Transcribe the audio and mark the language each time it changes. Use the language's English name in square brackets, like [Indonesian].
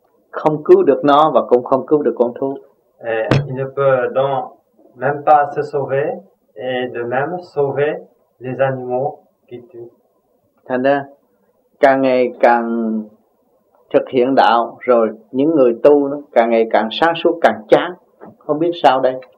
[Vietnamese] Không cứu được nó và cũng không cứu được con thú. [French] Et il ne peut donc même pas se sauver, et de même sauver les animaux qu'il tue. [Vietnamese] Thành ra, càng ngày càng thực hiện đạo rồi những người tu nó càng ngày càng sáng suốt càng chán không biết sao đây.